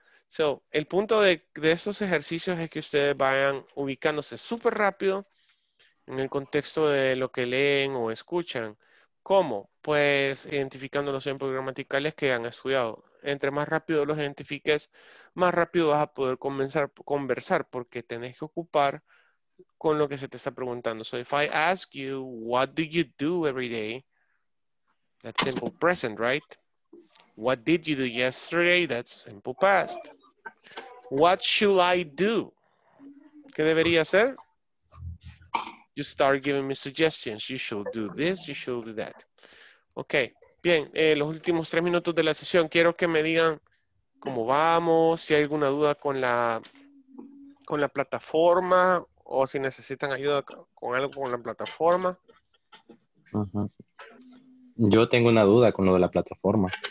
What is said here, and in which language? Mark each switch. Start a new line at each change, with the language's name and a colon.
Spanish: So, el punto de estos ejercicios es que ustedes vayan ubicándose súper rápido en el contexto de lo que leen o escuchan. ¿Cómo? Pues identificando los ejemplos gramaticales que han estudiado. Entre más rápido los identifiques, más rápido vas a poder comenzar a conversar porque tenés que ocupar con lo que se te está preguntando.
English: So if I ask you, what do you do every day? That's simple present, right? What did you do yesterday? That's simple past. What should I do?
Spanish: ¿Qué debería hacer?
English: You start giving me suggestions. You should do this, you should do that.
Spanish: Okay, bien, los últimos 3 minutos de la sesión, quiero que me digan cómo vamos, si hay alguna duda con la plataforma o si necesitan ayuda con algo con la plataforma. Yo tengo una duda con lo de la plataforma.